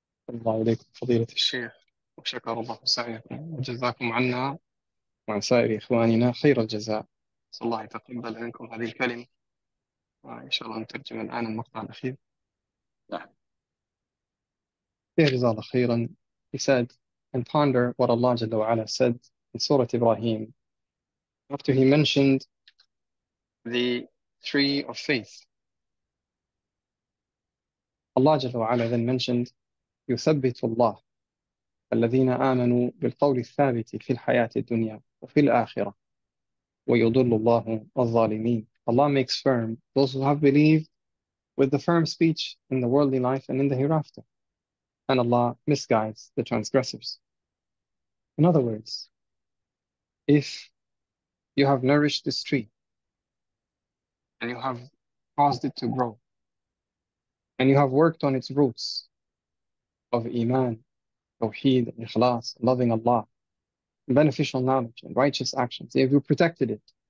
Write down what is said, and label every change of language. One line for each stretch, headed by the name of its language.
Arabic: الله عليكم فضيلة الشيخ، وشكر الله سعيكم وجزاكم عنا وعن سائر إخواننا خير الجزاء. نسأل الله يتقبل منكم هذه الكلمة، وإن شاء الله نترجم الآن المقطع الأخير. يا جزاه الله خيرا.
English: He said, and ponder what Allah جل وعلا said in Surah Ibrahim after he mentioned the tree of faith. Allah جل وعلا then mentioned,
Arabic: يثبت الله الذين آمنوا بالقول الثابت في الحياة الدنيا وفي الآخرة، ويضل الله الظالمين.
English: Allah makes firm those who have believed with the firm speech in the worldly life and in the hereafter. And Allah misguides the transgressors. In other words, if you have nourished this tree and you have caused it to grow and you have worked on its roots of Iman, Tawheed, Ikhlas, loving Allah, beneficial knowledge and righteous actions, if you protected it